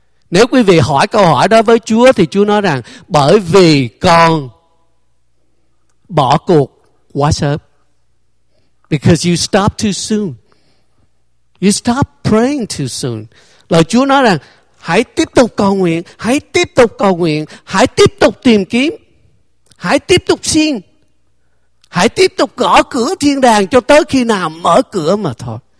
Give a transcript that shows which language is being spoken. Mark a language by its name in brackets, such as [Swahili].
[Vietnamese] Nếu quý vị hỏi câu hỏi đó với Chúa thì Chúa nói rằng bởi vì con bỏ cuộc quá sớm. [English] Because you stop too soon. You stop praying too soon. [Vietnamese] Lời Chúa nói rằng hãy tiếp tục cầu nguyện, hãy tiếp tục cầu nguyện, hãy tiếp tục tìm kiếm, hãy tiếp tục xin, hãy tiếp tục gõ cửa thiên đàng cho tới khi nào mở cửa mà thôi.